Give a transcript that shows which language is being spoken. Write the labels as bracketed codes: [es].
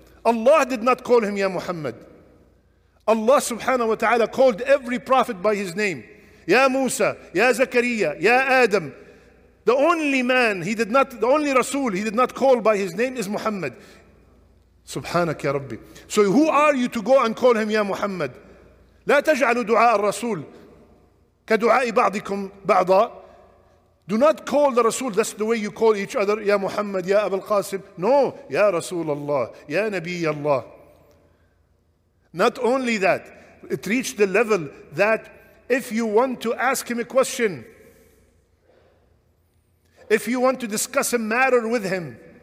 [en] Allah did not call him Ya Muhammad. Allah subhanahu wa ta'ala called every prophet by his name. Ya Musa, Ya Zakariya, Ya Adam. The only Rasul he did not call by his name is Muhammad. Subhanak Ya Rabbi. So who are you to go and call him Ya Muhammad? [ar] لا تجعلوا دعاء الرسول كدعاء بعضكم بعضا. [en] Do not call the Rasul, that's the way you call each other, Ya Muhammad, Ya Abul Qasim. No, Ya Rasul Allah, Ya Nabi Allah. Not only that, it reached the level that if you want to ask him a question, if you want to discuss a matter with him,